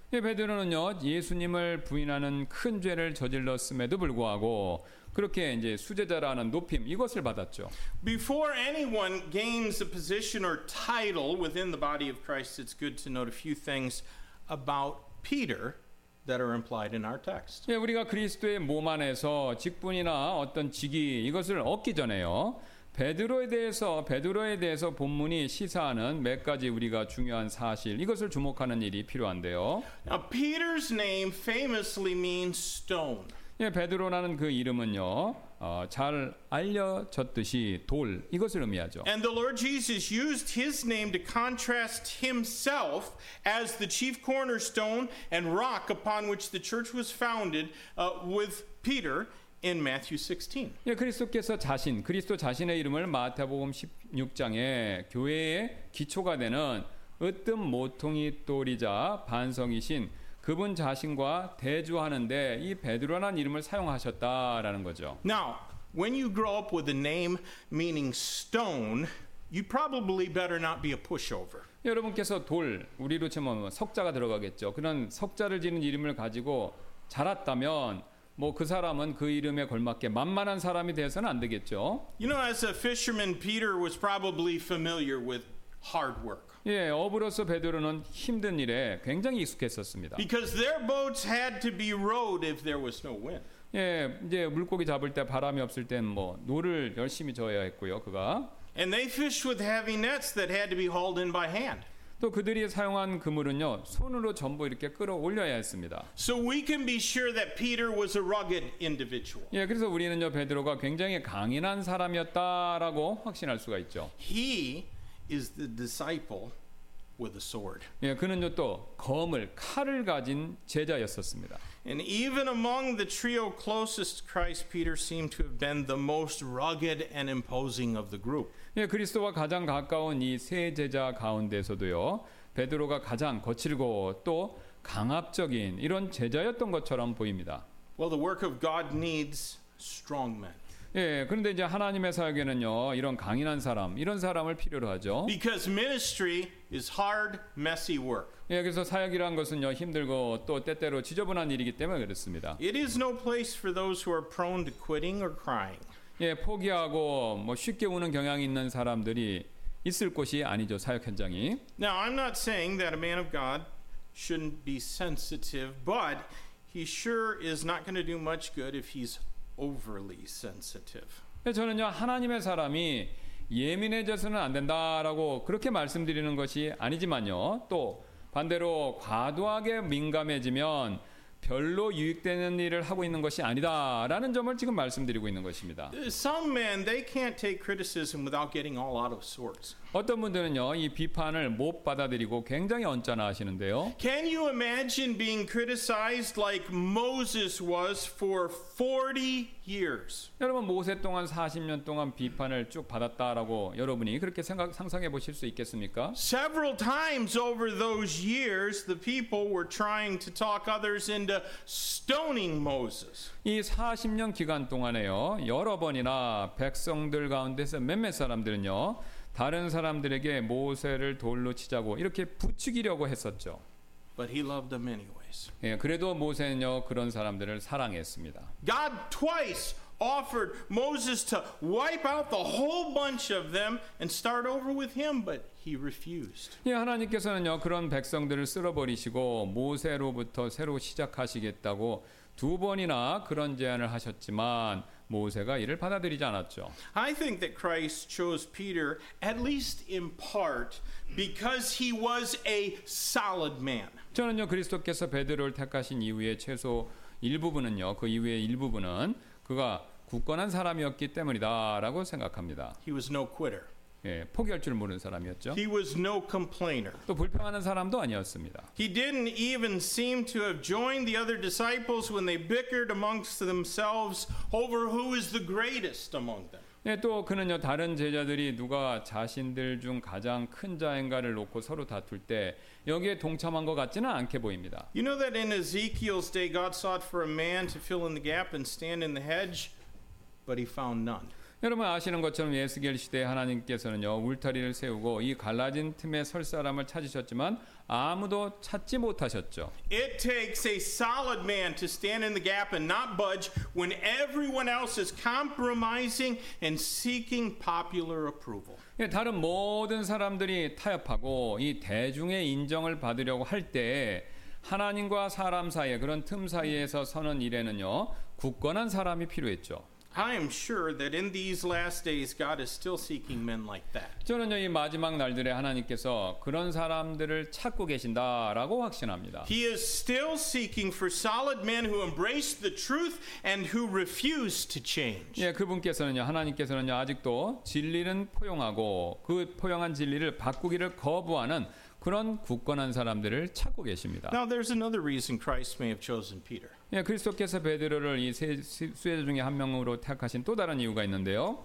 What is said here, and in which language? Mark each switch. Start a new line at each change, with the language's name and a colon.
Korean: 예, 베드로는요, 예수님을 부인하는 큰 죄를 저질렀음에도 불구하고 그렇게 이제 수제자라는 높임 이것을 받았죠.
English: Before anyone gains a position or title within the body of Christ, it's good to note a few things about Peter. That are implied in our text.
Korean: 예, 우리가 그리스도의 몸 안에서 직분이나 어떤 직위 이것을 얻기 전에요. 베드로에 대해서 본문이 시사하는 몇 가지 우리가 중요한 사실 이것을 주목하는 일이 필요한데요.
English: Now, Peter's name famously means stone.
Korean: 예, 베드로라는 그 이름은요. 잘 알려졌듯이 돌 이것을 의미하죠.
English: And the Lord Jesus used his name to contrast himself as the chief cornerstone and rock upon which the church was founded with Peter in Matthew 16.
Korean: 예, 그리스도 자신의 이름을 마태복음 16장에 교회의 기초가 되는 으뜸 모퉁이 돌이자 반석이신 그분 자신과 대조하는데 이 베드로라는 이름을 사용하셨다라는 거죠.
English: Now, when you grow up with a name meaning stone, you probably better not be a pushover.
Korean: 여러분께서 돌, 우리로 치면 석자가 들어가겠죠. 그런 석자를 지닌 이름을 가지고 자랐다면 뭐 그 사람은 그 이름에 걸맞게 만만한 사람이 되어서는 안 되겠죠.
English: You know, as a fisherman, Peter was probably familiar with hard work.
Korean: 예, 어부로서 베드로는 힘든 일에 굉장히 익숙했었습니다.
English: Because their boats had to be rowed if there was no wind.
Korean: 예, 이제 물고기 잡을 때 바람이 없을 땐 뭐 노를 열심히 저어야 했고요, 그가.
English: And they fished with heavy nets that had to be hauled in by hand.
Korean: 또 그들이 사용한 그물은요, 손으로 전부 이렇게 끌어올려야 했습니다.
English: So we can be sure that Peter was a rugged individual.
Korean: 예, 그래서 우리는요, 베드로가 굉장히 강인한 사람이었다라고 확신할 수가 있죠.
English: He is the disciple with a sword.
Korean: 예, 그는요 또 검을 칼을 가진 제자였었습니다.
English: And even among the trio closest Christ, Peter seemed to have been the most rugged and imposing of the group.
Korean: 예, 그리스도와 가장 가까운 이 세 제자 가운데서도요 베드로가 가장 거칠고 또 강압적인 이런 제자였던 것처럼 보입니다.
English: Well, the work of God needs strong men.
Korean: 예, 그런데 이제 하나님의 사역에는요 이런 강인한 사람, 이런 사람을 필요로 하죠.
English: Because ministry is hard, messy work.
Korean: 예, 그래서 사역이란 것은요 힘들고 또 때때로 지저분한 일이기 때문에 그렇습니다.
English: It is no place for those who are prone to quitting or crying.
Korean: 예, 포기하고 뭐 쉽게 우는 경향이 있는 사람들이 있을 곳이 아니죠 사역 현장이.
English: Now I'm not saying that a man of God shouldn't be sensitive, but he sure is not going to do much good if he's overly sensitive.
Korean: 저는요 하나님의 사람이 예민해져서는 안 된다라고 그렇게 말씀드리는 것이 아니지만요 또 반대로 과도하게 민감해지면 별로 유익되는 일을 하고 있는 것이 아니다라는 점을 지금 말씀드리고 있는 것입니다.
English: Some men they can't take criticism without getting all out of sorts.
Korean: 어떤 분들은요, 이 비판을 못 받아들이고 굉장히 언짢아하시는데요.
English: Can you imagine being criticized like Moses was for 40 years?
Korean: 여러분 모세 동안 40년 동안 비판을 쭉 받았다라고 여러분이 그렇게 생각 상상해 보실 수 있겠습니까?
English: Several times over those years, the people were trying to talk others into stoning Moses.
Korean: 이 40년 기간 동안에요, 여러 번이나 백성들 가운데서 몇몇 사람들은요. 다른 사람들에게 모세를 돌로 치자고 이렇게 부추기려고 했었죠.
English: But he loved them anyways.
Korean: 예, 그래도 모세는요 그런 사람들을 사랑했습니다.
English: God twice offered Moses to wipe out the whole bunch of them and start over with him, but he refused.
Korean: 예, 하나님께서는요 그런 백성들을 쓸어버리시고 모세로부터 새로 시작하시겠다고 두 번이나 그런 제안을 하셨지만 모세가 이를 받아들이지 않았죠.
English: I think that Christ chose Peter at least in part because he was a solid man.
Korean: 저는요 그리스도께서 베드로를 택하신 이유의 최소 일부분은요 그 이후의 일부분은 그가 굳건한 사람이었기 때문이다라고 생각합니다.
English: He was no quitter.
Korean: 예, 포기할 줄 모르는 사람이었죠.
English: He was no complainer.
Korean: 또 불평하는 사람도 아니었습니다.
English: He didn't even seem to have joined the other disciples when they bickered amongst themselves over who is the greatest among them.
Korean: 예, 또 그는요 다른 제자들이 누가 자신들 중 가장 큰 자인가를 놓고 서로 다툴 때 여기에 동참한 것 같지는 않게 보입니다.
English: You know that in Ezekiel's day, God sought for a man to fill in the gap and stand in the hedge, but He found none.
Korean: 여러분 아시는 것처럼 예스겔 시대에 하나님께서는요 울타리를 세우고 이 갈라진 틈에 설 사람을 찾으셨지만 아무도 찾지 못하셨죠.
English: It takes a solid man to stand in the gap and not budge when everyone else is compromising and seeking popular approval.
Korean: 예, 다른 모든 사람들이 타협하고 이 대중의 인정을 받으려고 할 때 하나님과 사람 사이에 그런 틈 사이에서 서는 일에는요 굳건한 사람이 필요했죠.
English: I am sure that in these last days, God is still seeking men like that.
Korean: 저는요 이 마지막 날들에 하나님께서 그런 사람들을 찾고 계신다라고 확신합니다.
English: He is still seeking for solid men who embrace the truth and who refuse to change.
Korean: 예, 그분께서는요 하나님께서는요 아직도 진리는 포용하고 그 포용한 진리를 바꾸기를 거부하는 그런 굳건한 사람들을 찾고 계십니다.
English: Now there's another reason Christ may have chosen Peter.
Korean: 예, 그리스도께서 베드로를 이 세 수혜자 중에 한 명으로 택하신 또 다른 이유가 있는데요.